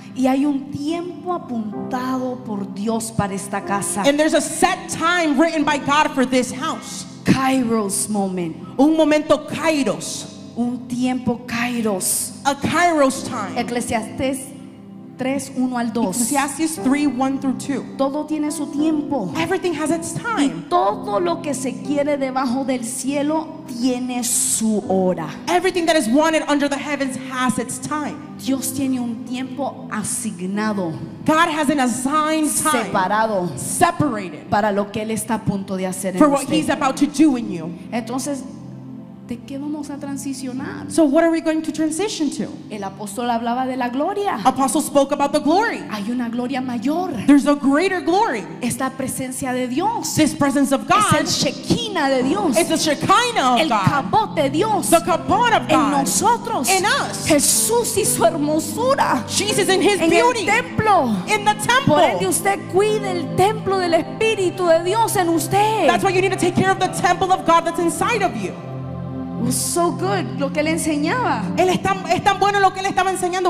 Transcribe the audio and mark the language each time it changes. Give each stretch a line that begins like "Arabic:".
Spanish: Y hay un tiempo apuntado por Dios para esta casa.
English: And there's a set time written by God for this house. Kairos moment.
Spanish: Un momento kairos. Un tiempo kairos.
English: A kairos time.
Spanish: Eclesiastes 3, 1 al 2.
English: Ecclesiastes 3, 1 through 2.
Spanish: Todo tiene su tiempo.
English: Everything has its time.
Spanish: Y todo lo que se quiere debajo del cielo tiene su hora.
English: Everything that is wanted under the heavens has its time.
Spanish: Dios tiene un tiempo asignado.
English: God has an assigned time.
Spanish: Separado.
English: Separated.
Spanish: Para lo que Él está a punto de hacer en usted.
English: For what He's about to do in you.
Spanish: Entonces, ¿de qué vamos a transicionar?
English: So what are we going to transition to?
Spanish: El apóstol hablaba de la gloria.
English: Apostle spoke about the glory.
Spanish: Hay una gloria mayor.
English: There's a greater glory.
Spanish: Es la presencia de Dios.
English: This presence of God.
Spanish: Es el Shekinah de Dios.
English: It's the Shekinah of
Spanish: el
English: God.
Spanish: El kabod de Dios.
English: The kabod of God.
Spanish: En nosotros.
English: In us.
Spanish: Jesús y su hermosura.
English: Jesus and His
Spanish: en
English: beauty.
Spanish: En el templo.
English: In the temple.
Spanish: Por ende, usted cuide el templo del Espíritu de Dios en usted.
English: That's why you need to take care of the temple of God that's inside of you. Was so good
Spanish: lo que él enseñaba. Él es tan bueno lo que él estaba enseñando.